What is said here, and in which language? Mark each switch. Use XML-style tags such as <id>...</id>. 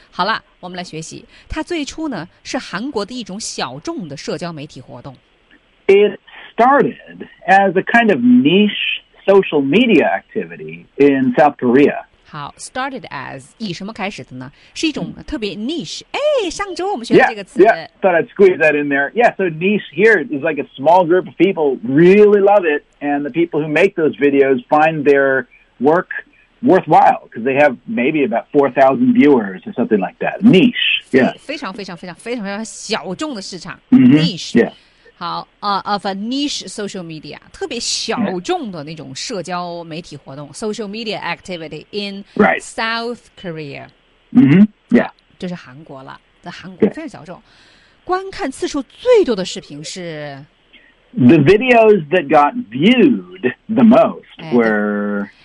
<zh>好了我们来学习它最初呢是韩国的一种小众的社交媒体活动</zh> <en>It started as a kind of niche social media activity in South Korea</en> <zh>好 ，</zh> <en>started as</en> <zh>以什么开始的呢？是一种特别 niche。哎，上周我们学的这个词</zh> <en>Thought I'd squeeze that in there. Yeah, so niche here is like a small group of people really love it, and the people who make those videos find their work worthwhile because they have maybe about 4,000 viewers or something like that. Niche, yeah，</en> <zh>非常非常非常非常非常小众的市场、 mm-hmm.</zh> <en>niche， yeah。</en> <zh>好、</zh> <en>of a niche social media</en> <zh>特别小众的那种社交媒体活动、 yeah.</zh> <en>social media activity in、 right. South Korea、 mm-hmm. yeah.</en> <zh>这是韩国了在韩国非常小众、yeah. 观看次数最多的视频是</zh> <en>The videos that got viewed the most were</en>